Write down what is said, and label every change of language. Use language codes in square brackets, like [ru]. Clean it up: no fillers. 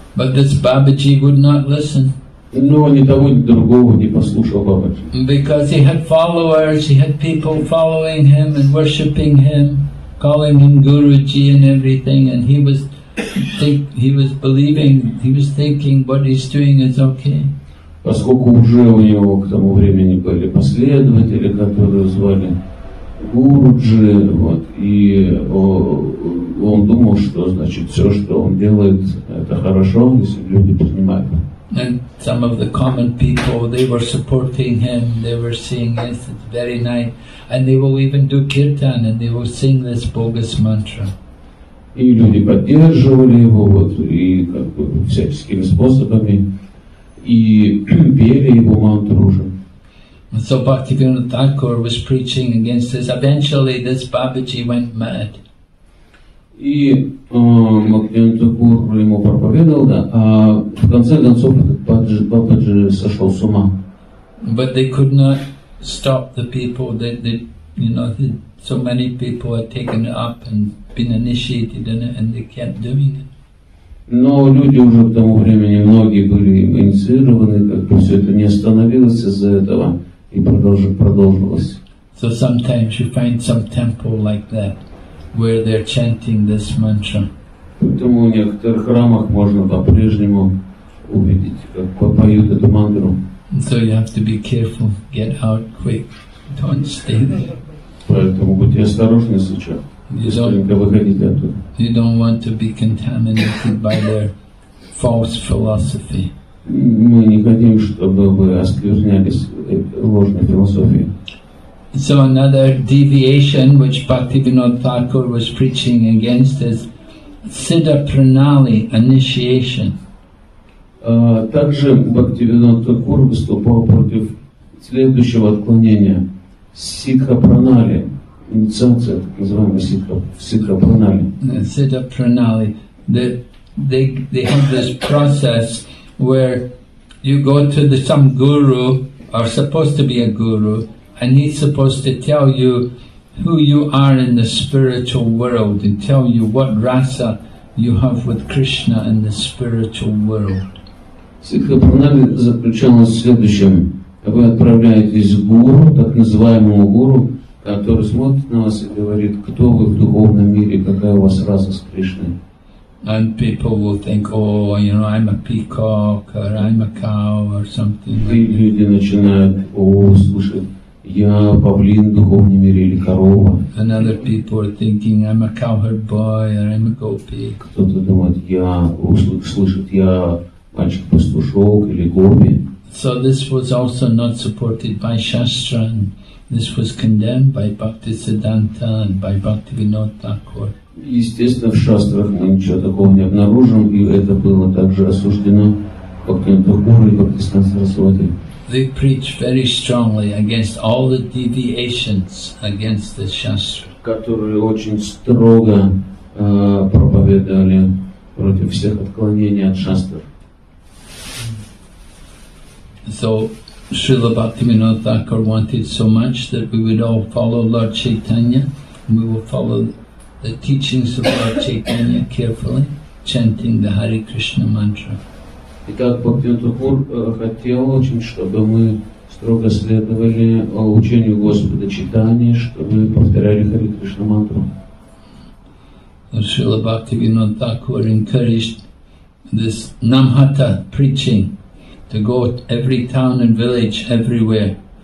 [en] But this Babaji would not listen. [ru] Но ни того, ни другого не послушал Бабаджи. [en] Because he had followers, he had people following him and worshipping him, calling him Guruji and everything, and he was thinking what he's doing is okay. [ru] Поскольку уже у него к тому времени были последователи, которые звали Гуруджи, вот, и он думал, что значит все, что он делает, это хорошо, если люди понимают. [en] And some of the common people, they were supporting him, they were saying, yes, it's very nice. And they will even do kirtan, and they will sing this bogus mantra. [ru] И люди поддерживали его, вот, и как бы всяческими способами, и пели его мантру уже. [en] And so Bhaktivinoda Thakur was preaching against this. Eventually, this Babaji went mad. [ru] И Бхактивинод Такур ему проповедовал, да, а в конце концов Бабаджи сошел с ума. [en] But they could not stop the people, that so many people had taken it up and been initiated in it, and they kept doing it. [ru] Но люди уже к тому времени, многие были инициированы, как бы все это не остановилось из-за этого, и продолжилось. [en] So sometimes you find some temple like that, where they're chanting this mantra. [ru] Поэтому в некоторых храмах можно по-прежнему увидеть, как поют эту мантру. [en] So you have to be careful, get out quick, don't stay there. [ru] Поэтому будьте осторожны сейчас, быстренько выходите оттуда. [en] You don't want to be contaminated by their false philosophy. [ru] Мы не хотим, чтобы вы осквернялись ложной философией. [en] So another deviation which Bhaktivinod Thakur was preaching against is Siddha Pranali, initiation. [ru] Также Бхактивинод Такур выступал против следующего отклонения, Сикха Пранали, инициация, так называемая Сикха Пранали. [en] Siddha Pranali, they have this process where you go to some guru, or supposed to be a guru, and he's supposed to tell you who you are in the spiritual world and tell you what rasa you have with Krishna in the spiritual world. [ru] Сикха Пранали заключалась в следующем. Вы отправляетесь к гуру, так называемому гуру, который смотрит на вас и говорит, кто вы в духовном мире, какая у вас раса с Кришной. [en] And people will think, oh, you know, I'm a peacock or I'm a cow or something. [ru] И люди начинают, слушать. Я павлин в духовном мире или корова. [en] And other people are thinking I'm a cowherd boy or I'm a gopi. [ru] Кто-то думает, я мальчик пастушок или гопи. [en] So this was also not supported by Shastra, and this was condemned by Bhaktisiddhanta and by Bhaktivinoda Thakur. [ru] Естественно, в шастрах мы ничего такого не обнаружим, и это было также осуждено Бхактивинодом Такуром и Бхактисиддхантой Сарасвати. [en] They preach very strongly against all the deviations against the Shastra. [ru] Которые очень строго проповедовали против всех отклонений от Шастр. [en] So, Srila Bhaktivinoda Thakur wanted so much that we would all follow Lord Chaitanya, and we will follow the teachings of Lord Chaitanya carefully, chanting the Hare Krishna mantra. [ru] Итак, Бхактивинода Такур хотел очень, чтобы мы строго следовали учению Господа Чайтаньи, чтобы мы повторяли Харе Кришна мантру. [en] Шрила Бхактивинода Такур encouraged this Намхата preaching to go to every town and village everywhere